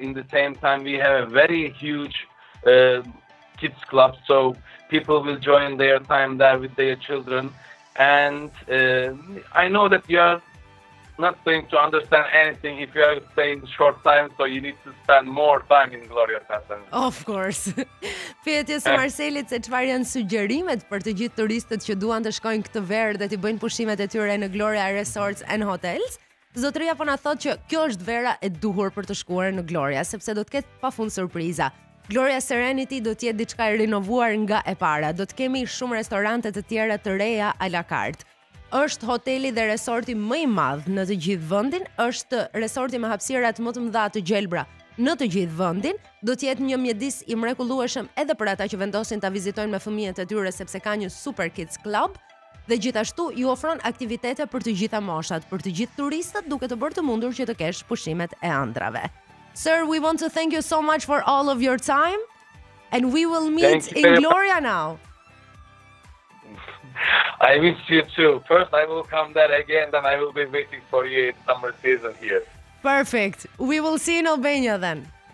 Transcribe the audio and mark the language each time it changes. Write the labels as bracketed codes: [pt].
[en] In the same time, we have a very huge kids club, so people will join their time there with their children. And I know that you are not going to understand anything if you are staying short time, so you need to spend more time in Gloria Tassan. Of course. [sq] Pyetjes Marcelit se çfarë janë sugjerimet për të gjithë turistët që duan të shkojnë këtë verë dhe të bëjnë pushimet e tyre në Gloria Resorts and Hotels. Zotëria po na thotë që kjo është vera e duhur për të shkuar në Gloria, sepse do të ketë pafund surpriza. Gloria Serenity do të jetë diçka e rinovuar nga e para. Do të kemi shumë restorante të tjera të reja a la carte. Është hoteli dhe resorti më i madh në të gjithë vendin, është resorti me hapësirat më të mëdha të gjelbra. Në të gjithë vendin do të jetë një mjedis i mrekullueshëm edhe për ata që vendosin ta vizitojnë me fëmijët e tyre sepse ka një super kids club dhe gjithashtu ju ofron aktivitete për të gjitha moshat, për të gjithë turistët duke të bërë të mundur që të kesh pushimet e ëndrave. [en] Sir, we want to thank you so much for all of your time and we will meet in Gloria now. I miss you too. First I will come there again and I will be waiting for you in summer season here. Perfect. We will see in Albania then.